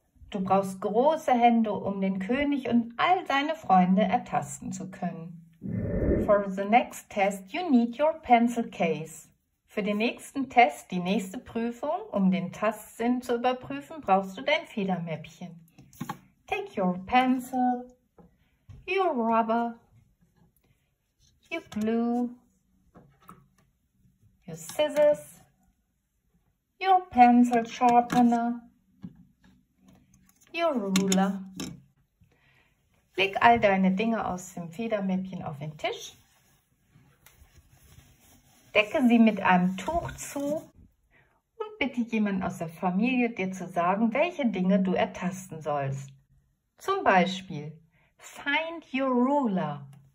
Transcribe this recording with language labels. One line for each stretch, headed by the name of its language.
German: Du brauchst große Hände, um den König und all seine Freunde ertasten zu können.
English: For the next test, you need your pencil case.
German: Für den nächsten Test, die nächste Prüfung, um den Tastsinn zu überprüfen, brauchst du dein Federmäppchen.
English: Take your pencil, your rubber, your glue, your scissors, your pencil sharpener, your ruler.
German: Leg all deine Dinge aus dem Federmäppchen auf den Tisch. Decke sie mit einem Tuch zu und bitte jemanden aus der Familie, dir zu sagen, welche Dinge du ertasten sollst. Zum Beispiel,
English: find your ruler.